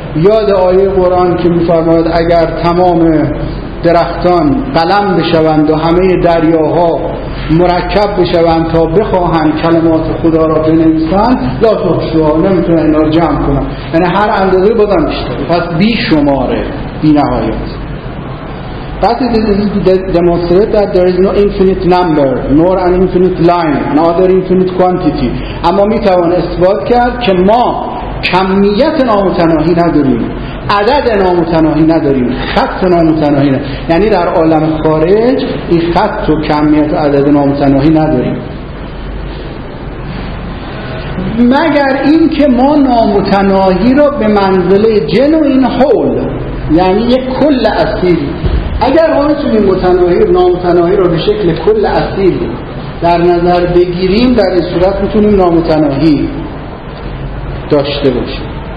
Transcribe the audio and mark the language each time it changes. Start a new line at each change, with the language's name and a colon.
Persian: یاد آیه قرآن که می‌فرماید اگر تمام درختان قلم بشوند و همه دریاها مرکب بشوند تا بخواهند کلمات خدا را بنویسند،
Arabic: لا تحصوا،
Persian: نمی‌تونن اینا را جمع کنن. یعنی هر اندازه بازم بیشتر، پس بی شماره بی نهایت.
English: That is demonstrate that there is no infinite number, nor an infinite line, nor infinite quantity.
Persian: اما می توان اثبات کرد که ما کمیت نامتناهی نداریم، عدد نامتناهی نداریم، خط نامتناهی نداریم. یعنی در عالم خارج این خط و کمیت و عدد نامتناهی نداریم، مگر این که ما نامتناهی را به منزله جنوین هول، یعنی یک کل اصیل، اگر ما میتونیم متناهی و نامتناهی را به شکل کل اصیل در نظر بگیریم، در این صورت میتونیم نامتناهی داشته باشیم.